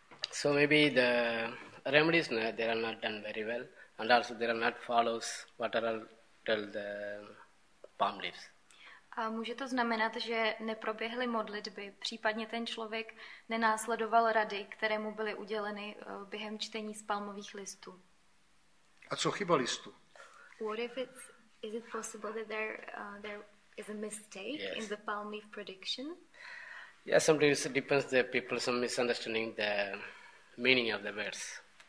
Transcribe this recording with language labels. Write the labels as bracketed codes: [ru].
[en] So maybe the remedies, they are not done very well, and also they are not follows what are tell the palm leaves. [cs] A může to znamenat, že neproběhly modlitby, případně ten člověk nenásledoval rady, které mu byly uděleny během čtení z palmových listů. A co chyba listu? [en] What if it's, is it possible that there is a mistake, yes, in the palm leaf prediction? Yes, sometimes it depends the people some misunderstanding the meaning of the verse.